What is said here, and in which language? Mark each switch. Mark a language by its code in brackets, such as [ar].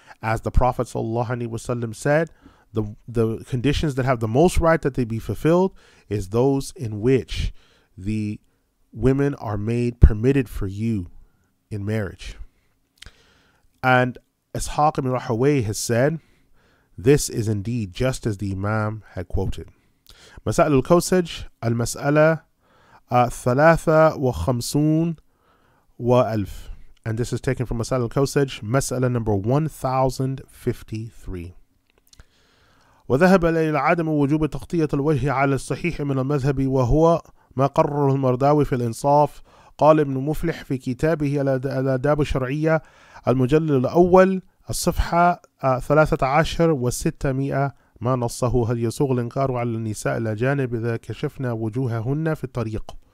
[en] As the Prophet ﷺ said, the conditions that have the most right that they be fulfilled is those in which the women are made permitted for you in marriage. And Ishaq ibn Rahway has said, this is indeed just as the Imam had quoted. [ar] مسألة الكوسج المسألة ثلاثة وخمسون وألف. [en] And this is taken from مسألة الكوسج, مسألة number 1053. [ar] وذهب إلى عدم وجوب تغطية الوجه على الصحيح من المذهب وهو ما قرره المرداوي في الإنصاف. قال ابن مفلح في كتابه الأداب الشرعية المجلد الأول الصفحة 13 و600 ما نصه هل يسوغ الإنكار على النساء الأجانب إذا كشفنا وجوههن في الطريق.